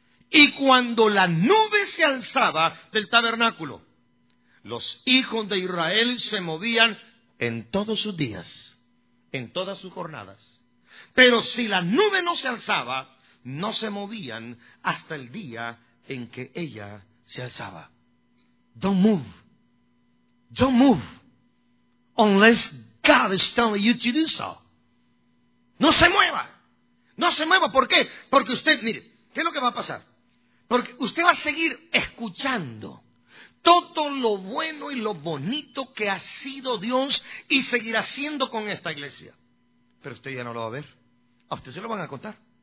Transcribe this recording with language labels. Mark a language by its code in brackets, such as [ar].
[es] Y cuando la nube se alzaba del tabernáculo, los hijos de Israel se movían en todos sus días, en todas sus jornadas. Pero si la nube no se alzaba, no se movían hasta el día en que ella se alzaba. [en] Don't move. Don't move. Unless God is telling you to do so. [es] No se mueva. No se mueva. ¿Por qué? Porque usted, mire, ¿qué es lo que va a pasar? Porque usted va a seguir escuchando todo lo bueno y lo bonito que ha sido Dios y seguirá siendo con esta iglesia. Pero usted ya no lo va a ver. A usted se lo van a contar.